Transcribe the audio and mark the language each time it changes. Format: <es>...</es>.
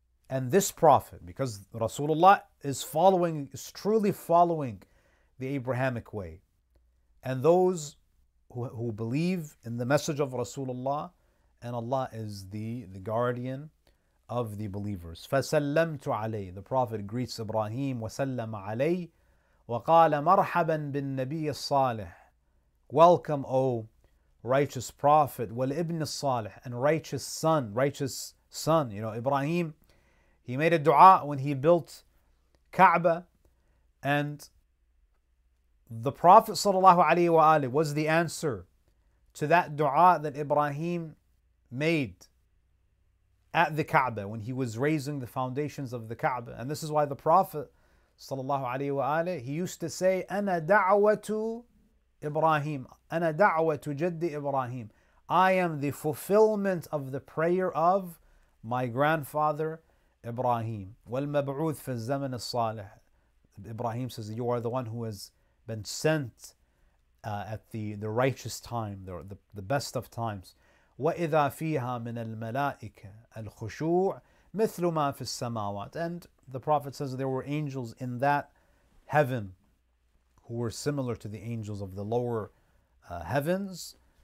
<en>And this Prophet, because Rasulullah is truly following the Abrahamic way. And those who believe in the message of Rasulullah, and Allah is the guardian of the believers.</en> <ar>فَسَلَّمْتُ عَلَيْهِ.</ar> <en>The Prophet greets Ibrahim,</en> <ar>وَسَلَّمَ عَلَيْهِ وَقَالَ مَرْحَبًا بِالنَّبِيِّ الصَّالِحِ.</ar> <en>Welcome, O righteous Prophet,</en> <ar>وَالْإِبْنِ الصَّالِحِ,</ar> <en>and righteous son. You know, Ibrahim, he made a dua when he built Kaaba, and the Prophet ﷺ was the answer to that dua that Ibrahim made at the Kaaba when he was raising the foundations of the Kaaba. And this is why the Prophet ﷺ, he used to say,</en> <ar>أَنَا دَعْوَةُ إِبْرَاهِيمُ أَنَا دَعْوَةُ جَدِّ إِبْرَاهِيمُ.</ar> <en>I am the fulfillment of the prayer of my grandfather Ibrahim.</en> <ar>والمبعوث في الزمن الصالح.</ar> <en>Ibrahim says, you are the one who has been sent at the righteous time, the best of times.</en> <ar>وَإِذَا فِيهَا مِنَ الْمَلَائِكَ الْخُشُوعِ مِثْلُ مَا فِي السَّمَاوَاتِ.</ar> <en>And the Prophet says there were angels in that heaven who were similar to the angels of the lower heavens.</en>